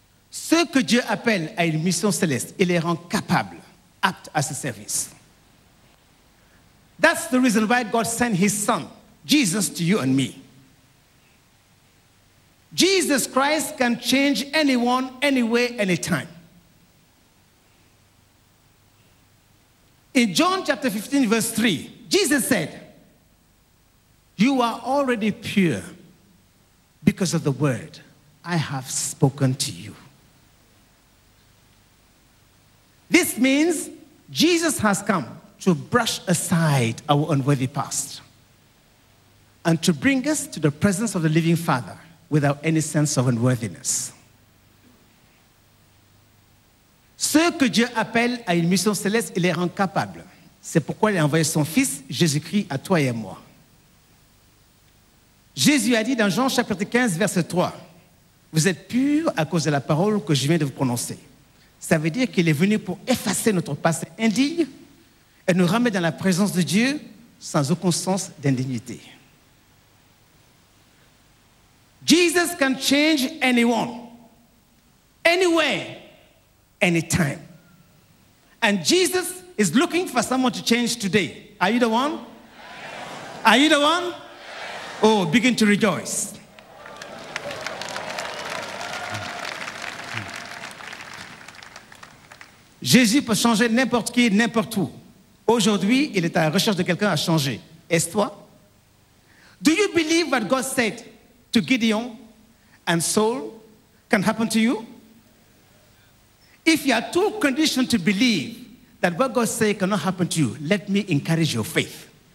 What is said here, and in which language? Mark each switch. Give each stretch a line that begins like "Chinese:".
French: Ce que Dieu appelle à une mission céleste, il les rend capables, aptes à ce service.
English: That's the reason why God sent his son, Jesus, to you and me. Jesus Christ can change anyone, anywhere, anytime. In John chapter 15, verse 3, Jesus said, "You are already pure because of the word I have spoken to you." This means Jesus has come to brush aside our unworthy past and to bring us to the presence of the living Father without any sense of unworthiness.
French: Ce que Dieu appelle à une mission céleste, il les rend capables. C'est pourquoi il a envoyé son fils, Jésus-Christ, à toi et à moi. Jésus a dit dans Jean chapitre 15, verset 3, « Vous êtes purs à cause de la parole que je viens de vous prononcer. » Ça veut dire qu'il est venu pour effacer notre passé indigne et nous ramener dans la présence de Dieu sans aucun sens d'indignité.
English: Jesus can change anyone, anywhere, anytime. And Jesus is looking for someone to change today. Are you the one? Yes. Are you the one? Yes. Oh, begin to rejoice.
French: Jésus peut changer n'importe qui, n'importe où. Aujourd'hui, il est à la recherche de quelqu'un à changer. Est-ce toi?
English: Do you believe what God said to Gideon and Saul can happen to you? If you are too conditioned to believe that what God said cannot happen to you, let me encourage your faith.